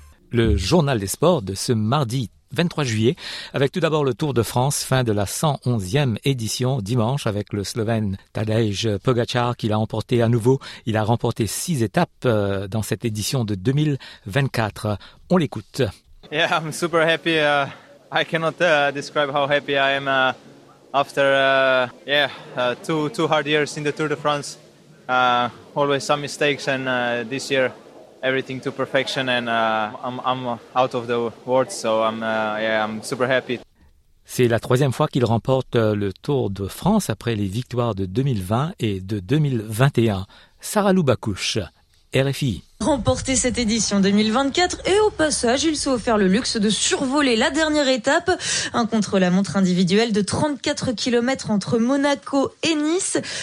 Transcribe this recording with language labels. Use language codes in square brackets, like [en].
[fr] Le journal des sports de ce mardi 23 juillet, avec tout d'abord le Tour de France, fin de la 111e édition dimanche avec le Slovène Tadej Pogacar qui l'a emporté à nouveau. Il a remporté 6 étapes dans cette édition de 2024. On l'écoute. [en] Yeah, I'm super happy. I cannot describe how happy I am after two hard years in the Tour de France. Always some mistakes and this year everything to perfection, and I'm out of the words, so I'm super happy. [fr] C'est la troisième fois qu'il remporte le Tour de France après les victoires de 2020 et de 2021. Sarah Loubacouche, RFI. Remporté cette édition 2024 et au passage, il s'est offert le luxe de survoler la dernière étape, un contre-la-montre individuel de 34 km entre Monaco et Nice.